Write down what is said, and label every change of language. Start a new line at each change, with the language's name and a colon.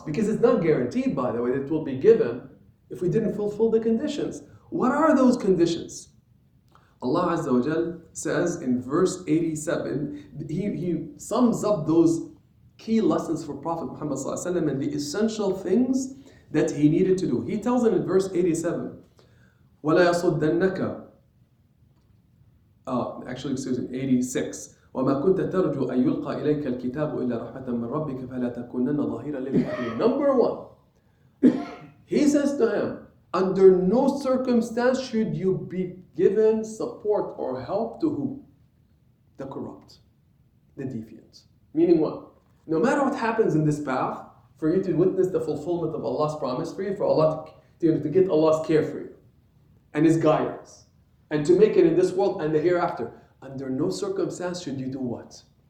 English: Because it's not guaranteed, by the way, that it will be given if we didn't fulfill the conditions. What are those conditions? Allah Azza wa Jal says in verse 87, he sums up those key lessons for Prophet Muhammad Sallallahu Alaihi Wasallam and the essential things that he needed to do. He tells him in verse 87,
Arabic: وَلَا يَصُدَّنَّكَ,
English: actually, excuse me, 86,
Arabic: وَمَا كُنْتَ تَرْجُوا أَن يُلْقَى إِلَيْكَ الْكِتَابُ إِلَّا رَحْمَةً مِّن رَبِّكَ فَلَا تَكُونَنَّ ظَهِيرًا لِلْمُجْرِمِينَ.
English: Number one, he says to him, under no circumstance should you be given support or help to who? The corrupt, the deviant. Meaning what? No matter what happens in this path, for you to witness the fulfillment of Allah's promise for you, for Allah to get Allah's care for you and His guidance, and to make it in this world and the hereafter, under no circumstance should you do what?